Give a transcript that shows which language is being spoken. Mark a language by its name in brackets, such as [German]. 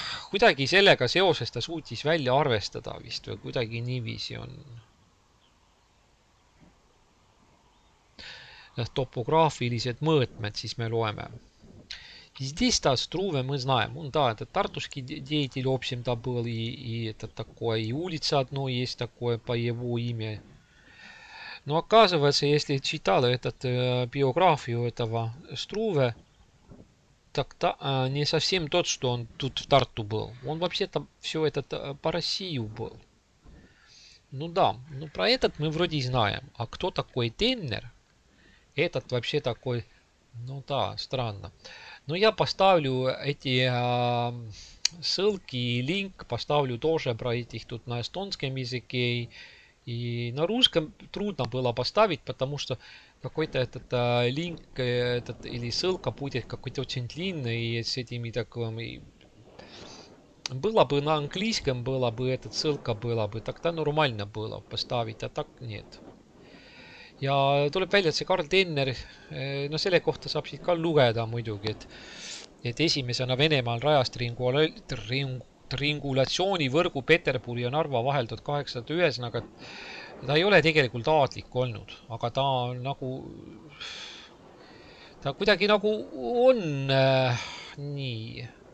[Estonian] Kuidagi sellega seoses ta suutis välja arvestada vist või kuidagi niiviisi on. Topograafilised mõõtmed, siis me loeme. [Russian] Здесь-то Струве мы знаем. Он, да, это тартусский деятель, в общем-то, был, и это такое, и улица одно есть такое по его имя. Но оказывается, если читал этот биографию этого Струве, так та, не совсем тот, что он тут в Тарту был. Он вообще-то все это по России был. Ну да, ну про этот мы вроде знаем. А кто такой Теннер? Этот вообще такой, ну да, странно. Но я поставлю эти ссылки и линк, поставлю тоже про этих тут на эстонском языке. И на русском трудно было поставить, потому что какой-то этот линк этот, или ссылка будет какой-то очень длинный и с этими такими. Было бы на английском, была бы эта ссылка, была бы, тогда нормально было поставить, а так нет. [Estonian] Ja tuleb välja, et see Karl Tenner, no selle kohta saab siit ka lugeda muidugi, et esimesena Venemaal rajast ringulatsiooni võrgu Peterburi ja Narva vaheldud 81, aga ta ei ole tegelikult aadlik olnud, aga ta on nagu, ta kuidagi nagu on nii.